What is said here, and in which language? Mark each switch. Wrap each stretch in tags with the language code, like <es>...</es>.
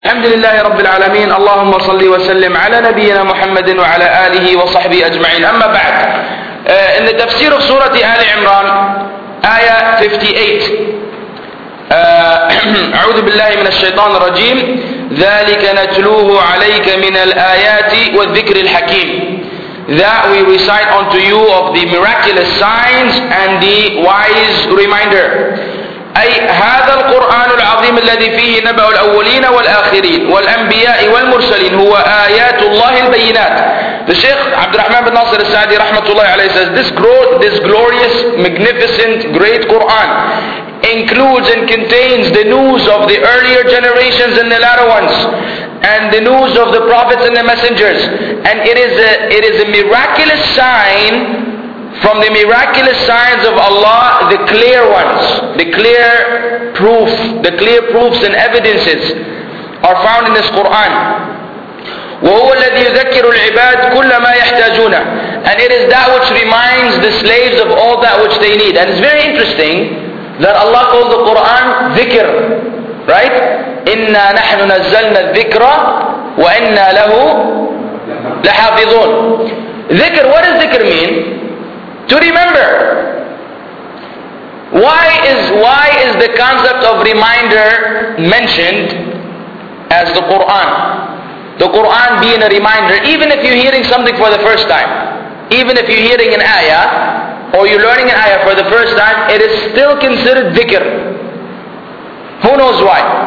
<ar>الحمد لله رب العالمين اللهم صل وسلم على نبينا محمد وعلى آله وصحبه أجمعين أما بعد إن تفسير سورة آل عمران آية 58 أعوذ بالله من الشيطان الرجيم ذلك نتلوه عليك من الآيات والذكر الحكيم</ar> <en>That we recite unto you of the miraculous signs and the wise reminder.</en> <ar>أي هذا القرآن العظيم الذي فيه نبأ الأولين والآخرين والأنبياء والمرسلين هو آيات الله البينات.</ar> <en>The Sheikh عبد الرحمن بن ناصر السعدي رحمة الله عليه says this glorious, magnificent, great Quran includes and contains the news of the earlier generations and the latter ones. And the news of the prophets and the messengers, and it is a miraculous sign from the miraculous signs of Allah, the clear ones, the clear proofs and evidences are found in this Quran.</en> <ar>وهو الذي يذكر العباد كل ما يحتاجون,</ar> <en>and it is that which reminds the slaves of all that which they need. And it's very interesting that Allah calls the Quran ذكر, right?</en> <ar>إِنَّا نَحْنُ نَزَّلْنَا الذِّكْرَ وَإِنَّا لَهُ لَحَافِظُونَ</ar> <en>Dhikr, what does dhikr mean? To remember. Why is the concept of reminder mentioned as the Qur'an? The Qur'an being a reminder, even if you're hearing something for the first time, even if you're hearing an ayah, or you're learning an ayah for the first time, it is still considered dhikr. Who knows why?</en>